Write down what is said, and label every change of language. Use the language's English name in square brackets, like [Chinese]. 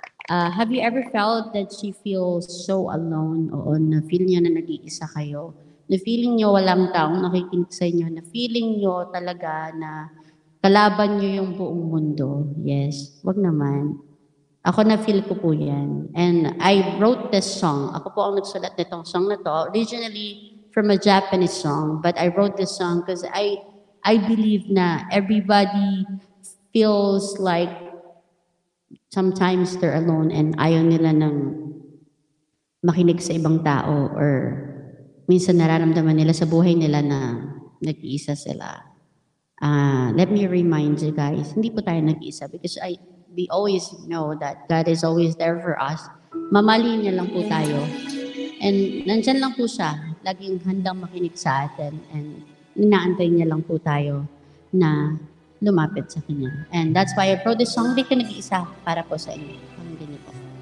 [English] Have you ever felt that she feels so alone? [Filipino] Oo, na feel niya na nag-iisa kayo. Na feeling niyo walang taong nakikinig sa inyo. Na feeling niyo talaga na kalaban niyo yung buong mundo. Yes, wag naman. Ako na feel ko po yan. [English] And I wrote this song. [Filipino] Ako po ang nagsulat nitong song na to. [English] Originally from a Japanese song. But I wrote this song because I believe na everybody feels like sometimes they're alone and [Filipino] ayaw nila nang makinig sa ibang tao or minsan nararamdaman nila sa buhay nila na nag-iisa sila. [English] Let me remind you guys, [Filipino] hindi po tayo nag-iisa [English] because we always know that God is always there for us. [Filipino] Mamali niya lang po tayo. And nandyan lang po siya, laging handang makinig sa atin and inaantay niya lang po tayo na lumapit sa kanya. [English] And that's why I wrote this song, Di Ka Nag-iisa, [Filipino] para po sa inyo. Ang din ito.